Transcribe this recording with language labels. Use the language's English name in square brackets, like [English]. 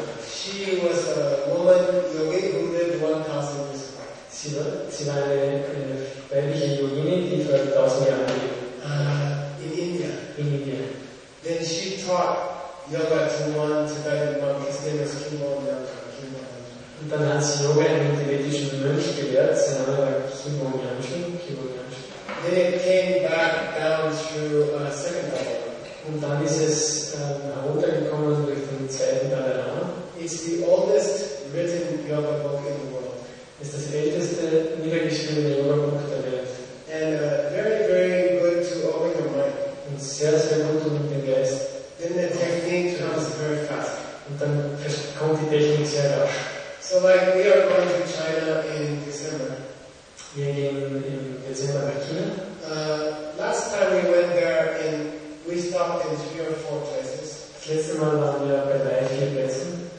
[English] She was a woman yogi who lived 1,000 years ago. [German] Sie war eine weibliche Yogini, die vor 1,000 Jahren lebte. [English] In India. In India. Then she taught yoga to one Tibetan monk. His name is Khimon Yamchen. [German] Und dann hat sie Yoga einem tibetischen Mönch gelehrt. Sein Name war Khimon Yamchen. [English] Then it came back down through a second Dalai Lama. [German] Und dann ist es nach unten gekommen durch den zweiten Dalai Lama. [English] It's the oldest written yoga book in the world. [German] Ist das älteste niedergeschriebene Yoga Buch der Welt. [English] And very, very good to open your mind. [German] Und sehr, sehr gut mit dem Geist. [English] Then the technique comes very fast. [German] Und dann kommt die Technik sehr rasch. [English] So like we are going to China in December. [German] Wir gehen im Dezember nach China. [English] Last time we went there and we stopped in 3 or 4 places. [German] Das letzte Mal waren wir bei 3 oder 4 Plätzen.